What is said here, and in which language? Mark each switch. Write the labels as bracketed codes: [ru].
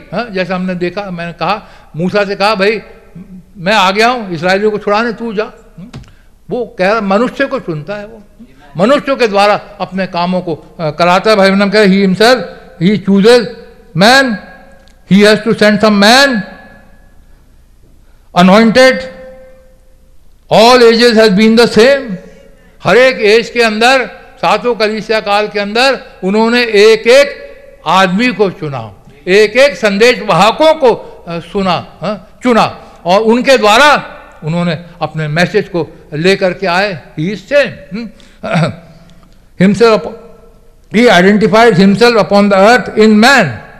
[hi] जैसे हमने देखा, मैंने कहा मूसा से कहा भाई मैं आ गया हूँ इसराइलियों को छुड़ाने, तू जा। वो कह रहा मनुष्य को चुनता है, वो मनुष्यों के द्वारा अपने कामों को कराता है। भाई मैंने कह रहा [en] He himself he chooses man, he has to send some man anointed. All ages has been the same. [hi] हर एक एज के अंदर, सातों कलीसिया काल के अंदर उन्होंने एक एक आदमी को चुना, एक एक संदेश वाहकों को सुना, चुना, और उनके द्वारा उन्होंने अपने मैसेज को लेकर के आए। [en] He is same himself, he identified himself upon the earth in man.